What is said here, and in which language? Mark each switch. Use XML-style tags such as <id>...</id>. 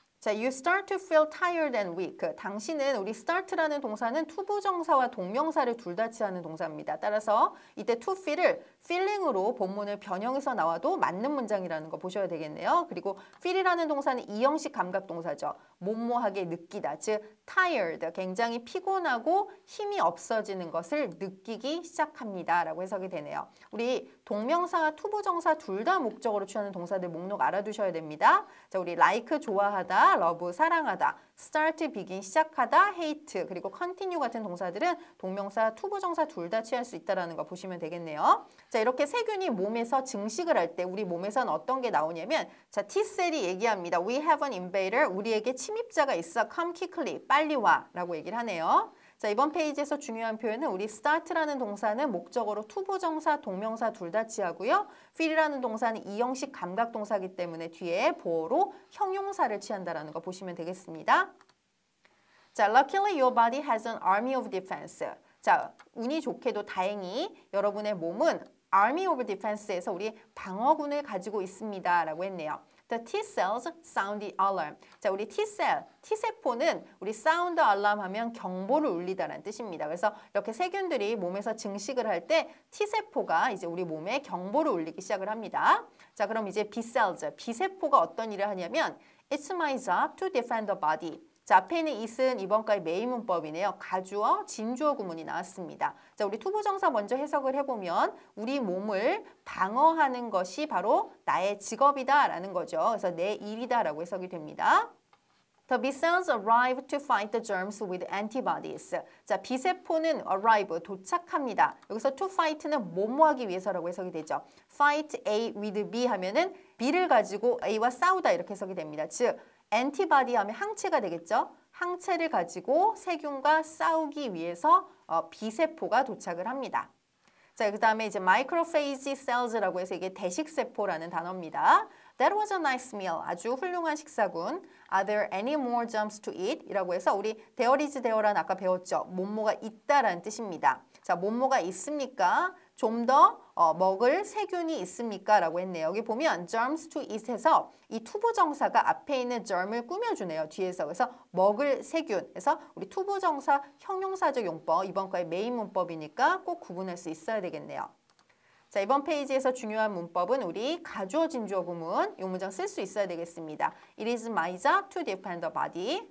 <en>자, you start to feel tired and weak.</en> <ko>당신은 우리 start라는 동사는 to 부정사와 동명사를 둘 다 치하는 동사입니다. 따라서 이때 to feel을 feeling으로 본문을 변형해서 나와도 맞는 문장이라는 거 보셔야 되겠네요. 그리고 feel이라는 동사는 이형식 감각동사죠. 모모하게 느끼다, 즉 tired, 굉장히 피곤하고 힘이 없어지는 것을 느끼기 시작합니다. 라고 해석이 되네요. 우리 동명사와 to 부정사 둘 다 목적으로 취하는 동사들 목록 알아두셔야 됩니다. 자, 우리 like, 좋아하다, love, 사랑하다, start, begin, 시작하다, hate, 그리고 continue 같은 동사들은 동명사와 to 부정사 둘 다 취할 수 있다는 거 보시면 되겠네요. 자, 이렇게 세균이 몸에서 증식을 할 때 우리 몸에선 어떤 게 나오냐면 자, T-cell이 얘기합니다.</ko> <en>We have an invader.</en> <ko>우리에게 침입자가 있어.</ko> <en>Come quickly.</en> <ko>빨리 와. 라고 얘기를 하네요. 자, 이번 페이지에서 중요한 표현은 우리 start라는 동사는 목적으로 to 부정사, 동명사 둘 다 취하고요. feel이라는 동사는 이형식 감각동사이기 때문에 뒤에 보어로 형용사를 취한다라는 거 보시면 되겠습니다.</ko> <en>자, luckily your body has an army of defense.</en> <ko>자, 운이 좋게도 다행히 여러분의 몸은</ko> <en>army of defense</en> <ko>에서 우리 방어군을 가지고 있습니다. 라고 했네요.</ko> <en>The T-cells sound the alarm.</en> <ko>자, 우리 T-cell, T세포는 우리 sound alarm 하면 경보를 울리다라는 뜻입니다. 그래서 이렇게 세균들이 몸에서 증식을 할 때 T세포가 이제 우리 몸에 경보를 울리기 시작을 합니다. 자, 그럼 이제 B-cells, B세포가 어떤 일을 하냐면</ko> <en>It's my job to defend the body.</en> <ko>자, 앞에 있는 it은 이번과의 메인 문법이네요. 가주어, 진주어 구문이 나왔습니다. 자, 우리 투부정사 먼저 해석을 해보면 우리 몸을 방어하는 것이 바로 나의 직업이다라는 거죠. 그래서 내 일이다라고 해석이 됩니다.</ko> <en>The B-cells arrive to fight the germs with antibodies.</en> <ko>자, B세포는 arrive, 도착합니다. 여기서 to fight는 뭐뭐하기 위해서라고 해석이 되죠.</ko> <en>Fight A with B</en> <ko>하면은 B를 가지고 A와 싸우다 이렇게 해석이 됩니다. 즉, 앤티바디 하면 항체가 되겠죠? 항체를 가지고 세균과 싸우기 위해서 B세포가 도착을 합니다. 자, 그다음에 이제 마이크로페이지 셀즈라고 해서 이게 대식세포라는 단어입니다.</ko> <en>That was a nice meal.</en> <ko>아주 훌륭한 식사군.</ko> <en>Are there any more germs to eat?</en> <ko>이라고 해서 우리 there is, there란 아까 배웠죠? 뭐뭐가 있다라는 뜻입니다. 자, 뭐뭐가 있습니까? 좀 더, 먹을 세균이 있습니까? 라고 했네요. 여기 보면</ko> <en>germs to eat</en> <ko>해서 이 투부 정사가 앞에 있는 germ을 꾸며주네요. 뒤에서. 그래서 먹을 세균. 그래서 우리 투부 정사 형용사적 용법, 이번 과의 메인 문법이니까 꼭 구분할 수 있어야 되겠네요. 자, 이번 페이지에서 중요한 문법은 우리 가주어 진주어 부문, 이 문장 쓸수 있어야 되겠습니다.</ko> <en>It is my job to defend the body.</en>